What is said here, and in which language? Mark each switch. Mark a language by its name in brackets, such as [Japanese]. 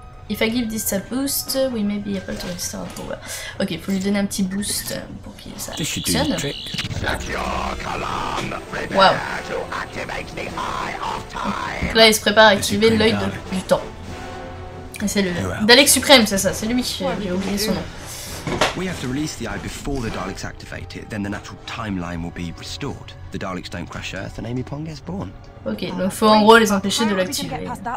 [English] If I give this a boost, we may be able to restore power. [French] Ok, il faut lui donner un petit boost pour qu'il ça fonctionne. Wow. Donc là, il se prépare à activer l'œil du temps. C'est le Dalek suprême, c'est ça, c'est lui. J'ai oublié son nom. [English] We have to release the eye before the Daleks activate it. Then the natural timeline will be restored. The Daleks don't crash Earth, and Amy Pond gets born. [French] Ok, donc faut en gros les empêcher de l'activer.